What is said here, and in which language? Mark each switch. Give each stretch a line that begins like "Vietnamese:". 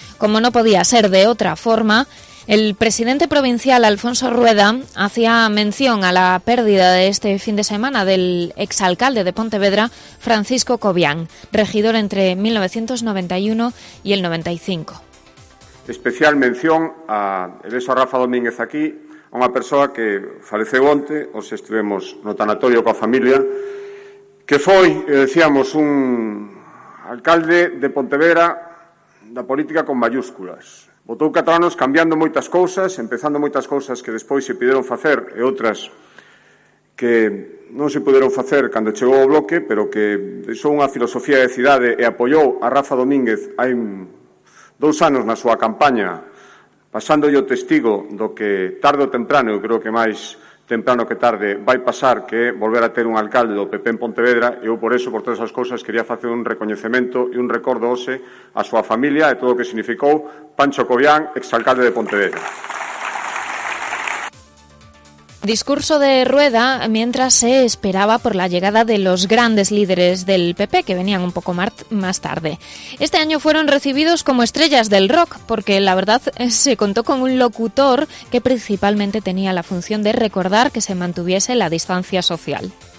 Spanish: Como no podía ser de otra forma, el presidente provincial Alfonso Rueda hacía mención a la pérdida de este fin de semana del exalcalde de Pontevedra, Francisco Cobián, regidor entre 1991 y el 95.
Galician: Especial mención a Eleso Rafa Domínguez aquí, a unha persoa que faleceu onte, os estivemos no tanatorio coa familia, que foi, decíamos, un alcalde de Pontevedra da política con mayúsculas. Votou 4 anos cambiando moitas cousas, empezando moitas cousas que despois se pideron facer e outras que non se puderon facer cando chegou o bloque, pero que son unha filosofía de cidade e apoiou a Rafa Domínguez hai 2 anos na súa campaña, pasando o testigo do que tarde ou temprano, eu creo que máis temprano que tarde, vai pasar que volver a ter un alcalde do PP en Pontevedra, e eu por eso, por todas as cousas, quería facer un recoñecemento e un recordo hoxe a súa familia e todo o que significou Pancho Covián, exalcalde de Pontevedra.
Spanish: Discurso de Rueda mientras se esperaba por la llegada de los grandes líderes del PP que venían un poco más tarde. Este año fueron recibidos como estrellas del rock porque la verdad se contó con un locutor que principalmente tenía la función de recordar que se mantuviese la distancia social.